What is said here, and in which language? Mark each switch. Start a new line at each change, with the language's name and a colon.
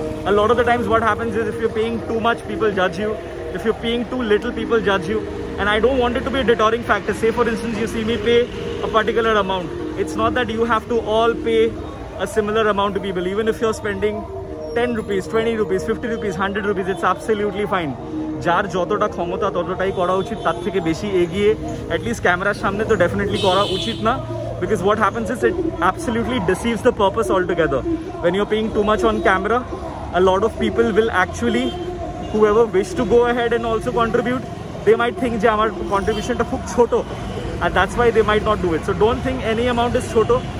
English: A lot of the times what happens is if you're paying too much, people judge you. If you're paying too little, people judge you. And I don't want it to be a deterring factor. Say for instance, you see me pay a particular amount. It's not that you have to all pay a similar amount to people. Even if you're spending 10 rupees, 20 rupees, 50 rupees, 100 rupees, it's absolutely fine.
Bangla: যার যতটা ক্ষমতা ততটাই করা উচিত, তার থেকে বেশি এগিয়ে অ্যাটলিস্ট ক্যামেরার সামনে তো ডেফিনেটলি করা উচিত না।
English: Because what happens is it absolutely deceives the purpose altogether. When you're paying too much on camera, a lot of people will actually, whoever wish to go ahead and also contribute, they might think
Bangla: je amar contribution ta khub choto,
English: and that's why they might not do it. So don't think any amount is choto.